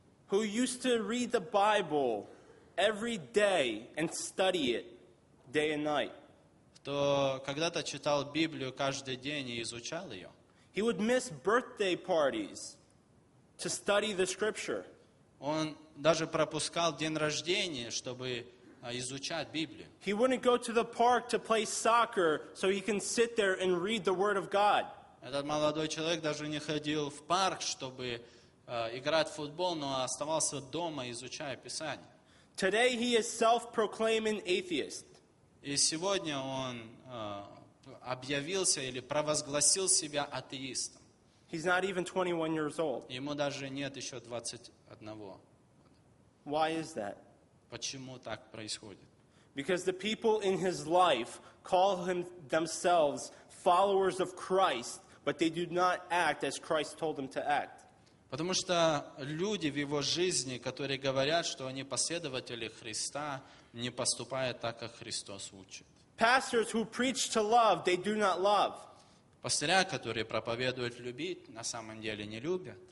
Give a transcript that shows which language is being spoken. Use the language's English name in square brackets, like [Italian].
[English] Who used to read the Bible every day and study it day and night. [Russian] Кто когда-то читал Библию каждый день и изучал ее. [English] He would miss birthday parties to study the scripture. [Russian] Он даже пропускал день рождения, чтобы изучать Библию. [English] He wouldn't go to the park to play soccer so he can sit there and read the word of God. [Russian] Этот молодой человек даже не ходил в парк, чтобы играть в футбол, но оставался дома, изучая Писание. [English] Today he is self-proclaiming atheist. [Russian] И сегодня он объявился или провозгласил себя атеистом. [English] He's not even 21 years old. [Russian] Ему даже нет еще 21. [English] Why is that? [Russian] Почему так происходит? [English] Because the people in his life call themselves followers of Christ, but they do not act as Christ told them to act. [Russian] Потому что люди в его жизни, которые говорят, что они последователи Христа, не поступают так, как Христос учит. [English] Pastors who preach to love, they do not love. [Russian] Пастыря, которые проповедуют любить, на самом деле не любят.